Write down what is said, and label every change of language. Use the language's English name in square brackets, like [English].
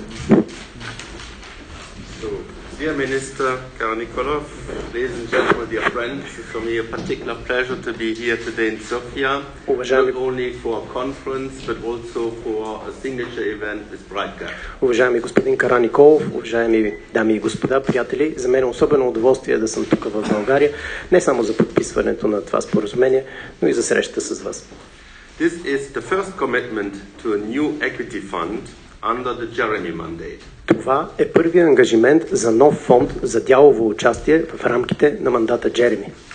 [English] Dear Minister Karanikolov, ladies and gentlemen, dear friends, it's for me a particular pleasure to be here today in Sofia, not only for a conference, but also for a signature event with BrightCap. [Bulgarian] Уважаеми господин Караниколов, уважаеми дами и господа, приятели, за мен е особено удоволствие да съм тук в България, не само за подписването на това споразумение, но и за срещата с вас. [English] This is the first commitment to a new equity fund under the Jeremy mandate. [Bulgarian] Това е първият ангажимент за нов фонд за дялово участие в рамките на мандата Джереми.